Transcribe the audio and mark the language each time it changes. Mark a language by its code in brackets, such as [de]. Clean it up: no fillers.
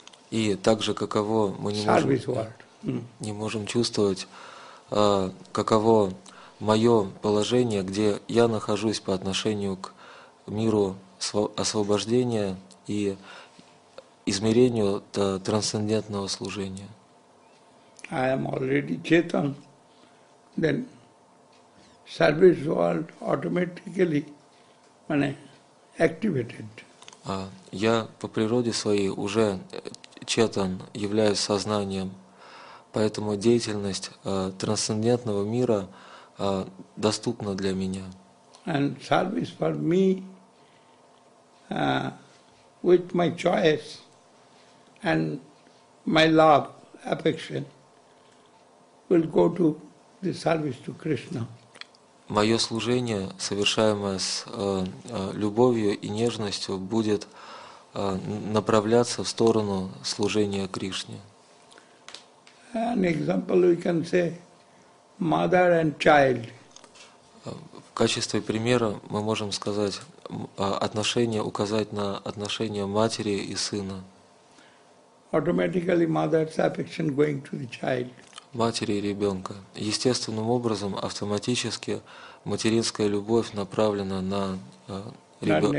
[ru] И также каково мы не можем, не можем чувствовать, каково мое положение, где я нахожусь по отношению к миру освобождения и измерению трансцендентного служения. [en] I am already Chetan, then service world automatically activated. [ru] Я по природе своей уже Четан, являюсь сознанием, поэтому деятельность трансцендентного мира доступна для меня. [en] And service for me with my choice and my love, affection will go to the service to Krishna. [ru] Мое служение, совершаемое с любовью и нежностью, будет направляться в сторону служения Кришне. [en] An example we can say mother and child. [ru] В качестве примера мы можем сказать отношения, указать на отношения матери и сына. [en] Automatically mother's affection going to the child. [ru] Матери и ребенка. Естественным образом автоматически материнская любовь направлена на ребенка.